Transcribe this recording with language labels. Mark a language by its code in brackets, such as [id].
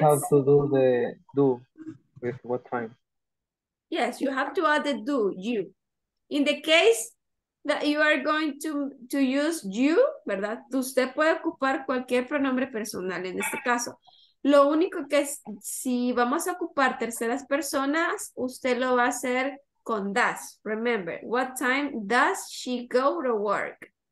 [en] Do we always have to do the do with what time? Yes, you have to add the do, you. In the case that you are going to use you, ¿verdad? [es] Usted puede ocupar cualquier pronombre personal en este caso. Lo único que es, si vamos a ocupar terceras personas, usted lo va a hacer con does. [en] Remember, what time does she go to work?